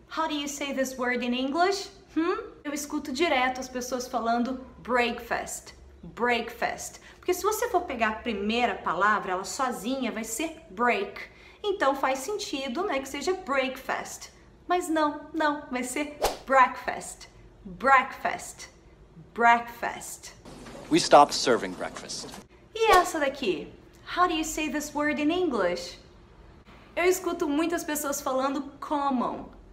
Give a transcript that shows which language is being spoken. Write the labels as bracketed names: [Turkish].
[English] How do you say this word in English? [Portuguese] Eu escuto direto as pessoas falando breakfast. Breakfast. Porque se você for pegar a primeira palavra, ela sozinha vai ser break. Então faz sentido, né, que seja breakfast. Mas não, não, vai ser breakfast. [English] Breakfast. Breakfast. We stopped serving breakfast. [Portuguese] E essa daqui? [English] How do you say this word in English? [Portuguese] Eu escuto muitas pessoas falando common.